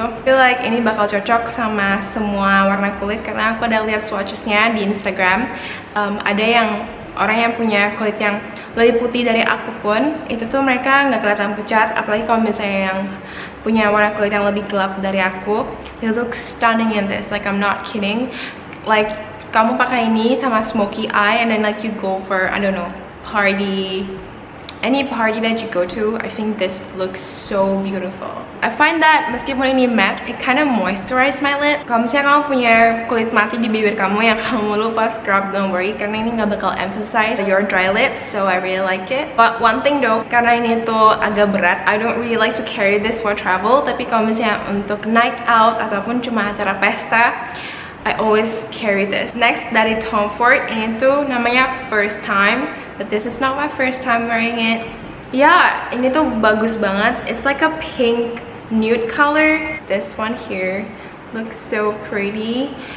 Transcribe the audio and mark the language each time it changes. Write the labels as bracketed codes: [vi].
[en] I feel like [id] ini bakal cocok sama semua warna kulit karena aku udah lihat swatches-nya di Instagram. Ada yang orang yang punya kulit yang lebih putih dari aku pun, itu tuh mereka gak kelihatan pucat. Apalagi kalau misalnya yang punya warna kulit yang lebih gelap dari aku, [en] they look stunning in this, like I'm not kidding. Like [id] kamu pakai ini sama [en] smoky eye and then like you go for, I don't know, party, any party that you go to, I think this looks so beautiful. I find that [id] meskipun ini matte, [en] it kind of moisturize my lip. [id] Kalau misalnya kamu punya kulit mati di bibir kamu yang kamu lupa scrub, [en] don't worry, [id] karena ini gak bakal [en] emphasize your dry lips, so I really like it. But one thing though, [id] karena ini tuh agak berat, [en] I don't really like to carry this for travel, [id] tapi kalau misalnya untuk night out ataupun cuma acara pesta, [en] I always carry this. [id] Next dari Tom Ford, ini tuh namanya First Time. [en] But this is not my first time wearing it. Yeah, [id] ini tuh bagus banget. [en] It's like a pink nude color. This one here looks so pretty.